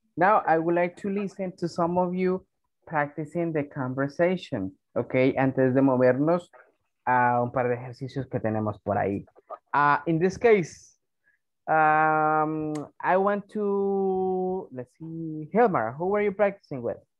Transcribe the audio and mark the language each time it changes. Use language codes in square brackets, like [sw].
[en] Now I would like to listen to some of you practicing the conversation. [es] Okay, antes de movernos a un par de ejercicios que tenemos por ahí. [en] In this case, I want to, let's see, Hilmar, who are you practicing with?